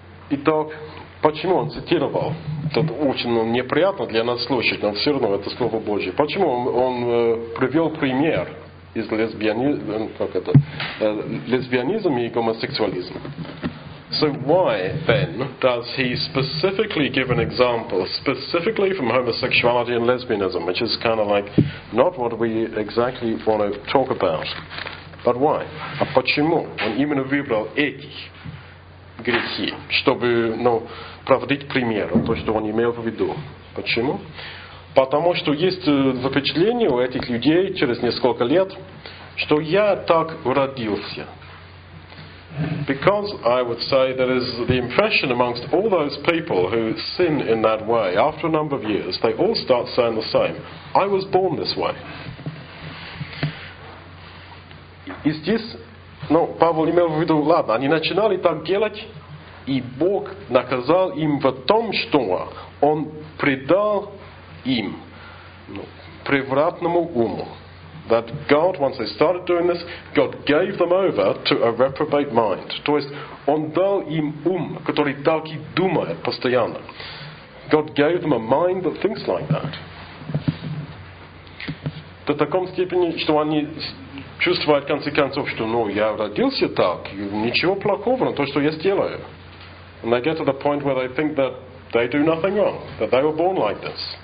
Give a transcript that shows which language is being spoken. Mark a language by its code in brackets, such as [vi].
[ru] Итак, почему он цитировал? Тут очень неприятно для нас слушать, но все равно это Слово Божие. Почему он привел пример из лесбиянизма и гомосексуализма? [en] So why then does he specifically give an example specifically from homosexuality and lesbianism, which is kind of like not what we exactly want to talk about? But why? [ru] А почему он именно выбрал эти грехи, чтобы, ну, проводить пример, то, что он имел в виду? Почему? Потому что есть впечатление у этих людей через несколько лет, что я так родился. [en] Because I would say there is the impression amongst all those people who sin in that way, after a number of years, they all start saying the same. I was born this way. [ru] И здесь, ну, Павел имел в виду, ладно, они начинали так делать, и Бог наказал им в том, что он предал им, ну, превратному уму. [en] That God, once they started doing this, God gave them over to a reprobate mind. [ru] То есть, он дал им ум, который так и думает постоянно. [en] God gave them a mind that thinks like that. [ru] До таком степени, что они чувствуют, в конце концов, что, ну, я родился так, ничего плохого на то, что я сделаю. [en] And they get to the point where they think that they do nothing wrong, that they were born like this.